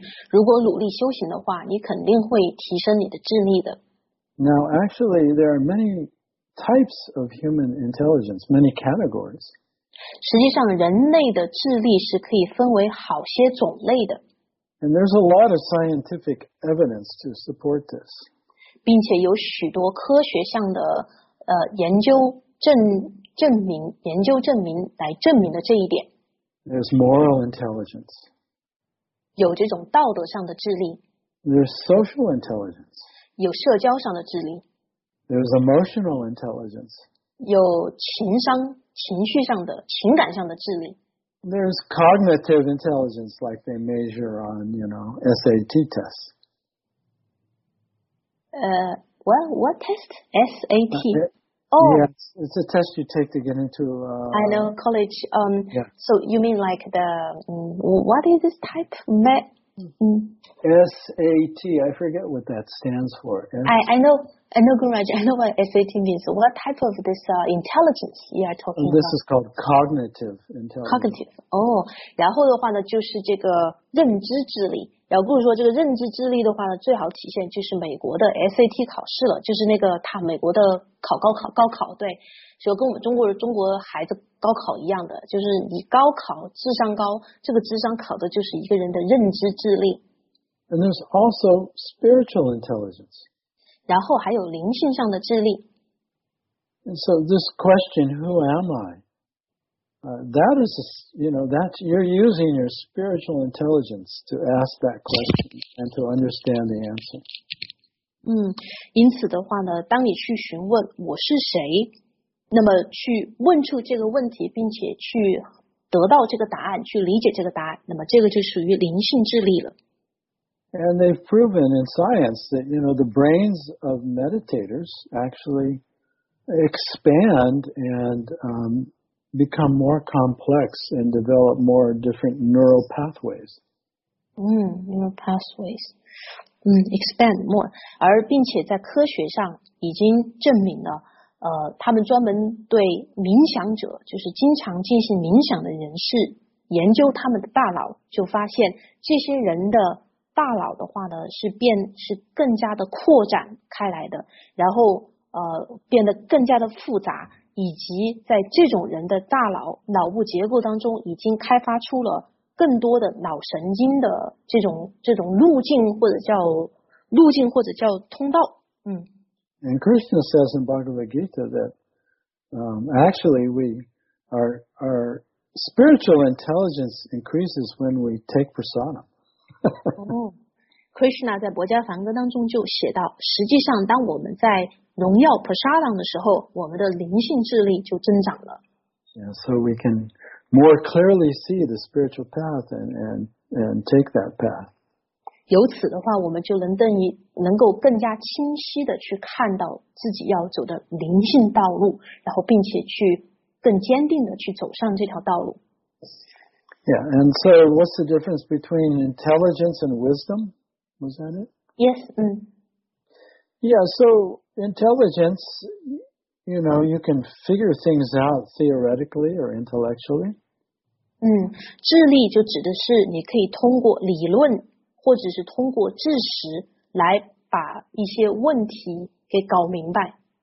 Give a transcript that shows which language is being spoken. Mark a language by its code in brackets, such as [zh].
[zh] 如果努力修行的话，你肯定会提升你的智力的。 [en] Now, actually, there are many types of human intelligence, many categories. [zh] 实际上，人类的智力是可以分为好些种类的。 [en] And there's a lot of scientific evidence to support this. [zh] 并且有许多科学上的研究证明研究证明来证明了这一点。 [en] There's moral intelligence. [zh] 有这种道德上的智力。 [en] There's social intelligence. [zh] 有社交上的智力。 [en] There's emotional intelligence. [zh] 有情商情绪上的情感上的智力。 [en] There's cognitive intelligence like they measure on, you know, SAT tests. What test? SAT. Yes, it's a test you take to get into. I know college. So you mean like the what is this type? SAT. I forget what that stands for. I know, Guruji. I know what SAT means. What type of this intelligence you are talking about? This is called cognitive intelligence. Cognitive. [zh] 然后的话呢，就是这个认知智力。也不是说这个认知智力的话呢，最好体现就是美国的 SAT 考试了，就是那个他美国的高考，对，就跟我们中国孩子高考一样的，就是你高考智商高，这个智商考的就是一个人的认知智力。 [en] And there's also spiritual intelligence. [zh] 然后还有灵性上的智力。 [en] And so this question, who am I? That is, you know, that you're using your spiritual intelligence to ask that question and to understand the answer. [zh] 因此的话呢，当你去询问我是谁，那么去问出这个问题，并且去得到这个答案，去理解这个答案，那么这个就属于灵性智力了。 [en] And they've proven in science that, you know, the brains of meditators actually expand and become more complex and develop more different neural pathways. Neural pathways. Expand more. [zh] 而并且在科学上已经证明了他们专门对冥想者，就是经常进行冥想的人士，研究他们的大脑，就发现这些人的大脑的话呢，是更加的扩展开来的，然后变得更加的复杂，以及在这种人的大脑脑部结构当中，已经开发出了更多的脑神经的这种路径，或者叫通道。 [en] And Krishna says in Bhagavad Gita that actually our spiritual intelligence increases when we take prasanna. [zh] Krishna 在《薄伽梵歌》当中就写到，实际上当我们在荣耀 prasanna 的时候，我们的灵性智力就增长了。 [en] Yeah, so we can more clearly see the spiritual path and take that path. [zh] 由此的话，我们就能够更加清晰的去看到自己要走的灵性道路，然后并且去更坚定的去走上这条道路。 [en] Yeah, and so what's the difference between intelligence and wisdom? Was that it? Yes. Yeah. So intelligence, you know, you can figure things out theoretically or intellectually. [zh] 智力就指的是你可以通过理论。或者是通过知识来把一些问题给搞明白。